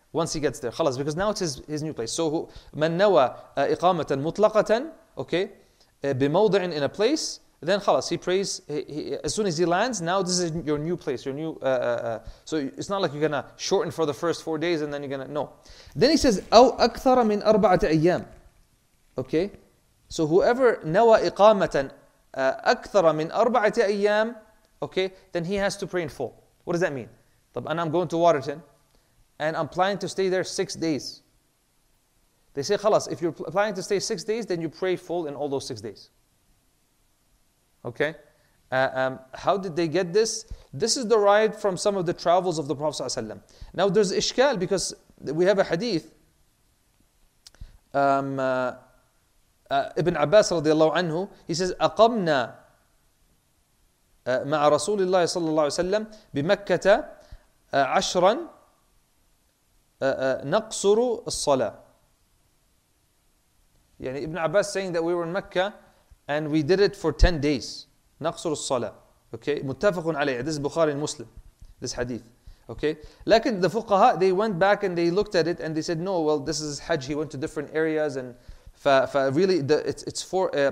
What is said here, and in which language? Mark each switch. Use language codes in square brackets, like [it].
[en] Once he gets there, khalas, because now it's his new place. So [ar] man nawa iqamatan mutlaqatan, [en] okay, bimawdi'in, in a place. Then khalas, he prays, as soon as he lands, now this is your new place, your new, so it's not like you're going to shorten for the first 4 days and then you're going to, no. Then he says, [ar] أَوْ أَكْثَرَ مِنْ أَرْبَعَةِ أَيَّامِ. [en] Okay, so whoever [ar] نَوَى إِقَامَةً أَكْثَرَ مِنْ أَرْبَعَةِ أَيَّامِ, [en] okay, then he has to pray in full. What does that mean? And I'm going to Waterton, and I'm planning to stay there 6 days. They say, khalas, if you're planning to stay 6 days, then you pray full in all those 6 days. Okay, how did they get this? This is derived from some of the travels of the Prophet ﷺ. Now there's ishkal because we have a hadith. [ar] Ibn Abbas radiallahu anhu, [en] he says, [ar] أَقَمْنَا مَعَ رَسُولِ اللَّهِ صَلَى اللَّهُ عَلَيْهِ وَسَلَّمَ بِمَكَّةَ عَشْرًا نَقْصُرُ الصَّلَاةِ. [en] يعني Ibn Abbas saying that we were in Mecca and we did it for 10 days. [ar] نقصر الصلاة. [en] Okay. [ar] متفقون عليه. [en] This is Bukhari and Muslim. This hadith. Okay. [ar] لكن [en] the فقهاء, they went back and they looked at it and they said, no, well, this is Hajj. He went to different areas. And really, it's four.